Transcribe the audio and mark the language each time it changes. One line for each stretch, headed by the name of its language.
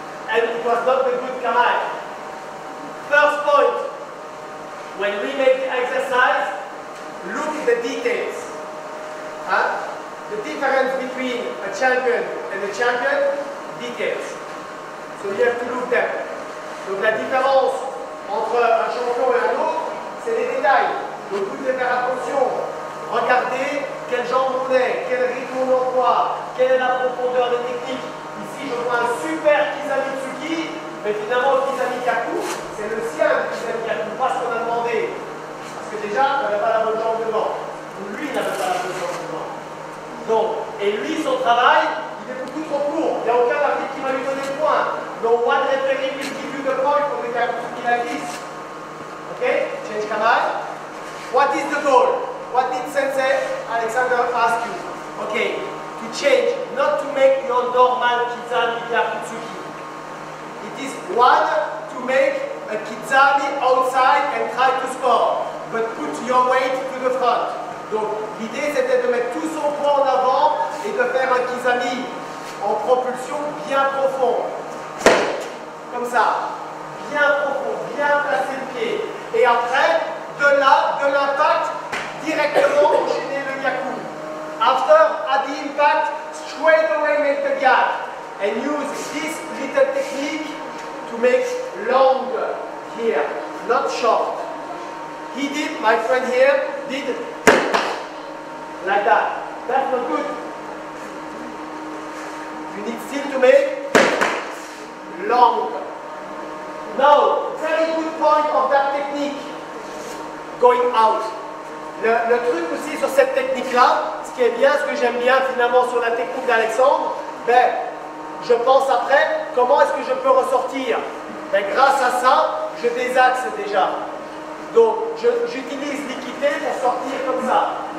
English: And it was not a good karai. First point, when we make the exercise, look at the details. The difference between a champion and a champion, details. So you have to look them.
French: Donc la différence entre un champion et un autre, c'est les détails. Donc vous devez faire attention. Regardez quelle jambe on est, quel rythme on emploie, quelle est la profondeur des techniques. Ici, je prends un super Kizami Tsuki, mais finalement, Kizami Kaku, c'est le sien, Kizami Kaku, pas ce qu'on a demandé. Parce que déjà, on n'avait pas la bonne jambe devant. Lui, il n'avait pas la bonne jambe devant. Donc, et lui, son travail, il est beaucoup trop court. Il n'y a aucun article qui va lui donner le point. Donc, moi, je préfère qu'il
English: give you the point
French: pour le Kaku qui la glisse. Ok?
English: Change Kamal. What is the goal? What did Sensei Alexander ask you? Okay, to change, not to make your normal Kizami Yakutsuki. It is one to make a Kizami outside and try to score, but put your weight to the front.
French: Donc l'idée c'était de mettre tout son poids en avant et de faire un Kizami en propulsion bien profond. Comme ça. Bien profond, bien placer le pied. Et après, de là, de l'impact, directement enchaîner le yaku.
English: After, at the impact, straight away make the gap. And use this little technique to make long here, not short. He did, my friend here, did like that. That's not good. You need still to make long. Now, very good point of that technique, going out.
French: Le truc aussi sur cette technique-là, ce qui est bien, ce que j'aime bien finalement sur la technique d'Alexandre, ben, je pense après, comment est-ce que je peux ressortir? Ben, grâce à ça, je désaxe déjà. Donc, j'utilise l'équité pour sortir comme ça.